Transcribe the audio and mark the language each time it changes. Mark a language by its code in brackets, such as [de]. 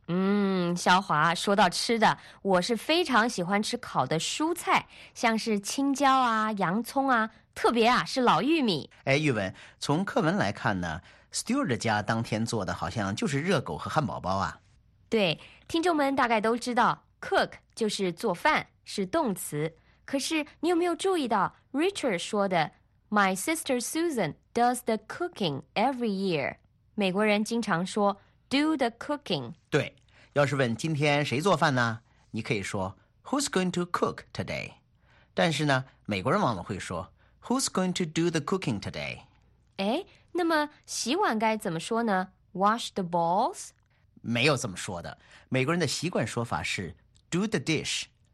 [zh] 嗯，肖华，说到吃的，我是非常喜欢吃烤的蔬菜，像是青椒啊洋葱啊，特别啊是老玉米。哎，玉文，从课文来看呢， Stewart 家当天做的好像就是热狗和汉堡包啊。对，听众们大概都知道 cook 就是做饭，是动词。可是你有没有注意到 Richard 说的 [en] My sister Susan does the cooking every year， [zh] 美国人经常说 [en] do the cooking。 [zh] 对，要是问今天谁做饭呢，你可以说 [en] Who's going to cook today， [zh] 但是呢美国人往往会说 [en] Who's going to do the cooking today。 [zh] 哎，那么洗碗该怎么说呢？ [en] Wash the balls？ [zh] 没有这么说的，美国人的习惯说法是 [en] do the dish。